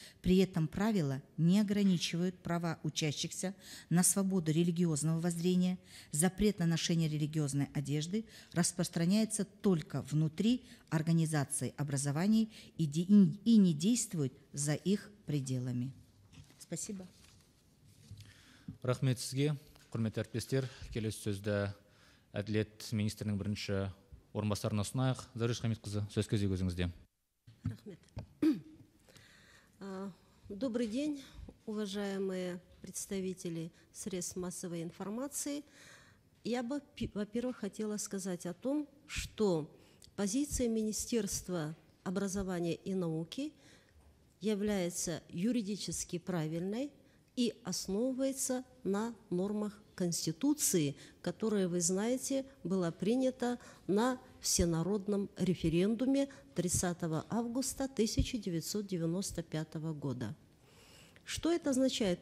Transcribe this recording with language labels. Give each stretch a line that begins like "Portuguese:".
Russian: При этом правила не ограничивают права учащихся на свободу религиозного воззрения. Запрет на ношение религиозной одежды распространяется только внутри организации образования и не действует за их пределами. Спасибо.
Kazakh: Рахмет сізге, құрметті әріптестер. Келесі сөзді әділет министрінің бірінші орынбасарына ұсынайық. Зәуреш Хамитқызы, сөз кезегі өзіңізде. Рахмет.
Russian: Добрый день, уважаемые представители средств массовой информации. Я бы, во-первых, хотела сказать о том, что позиция Министерства образования и науки является юридически правильной и основывается на нормах Конституции, которая, вы знаете, была принята на всенародном референдуме 30 августа 1995 года. Что это означает?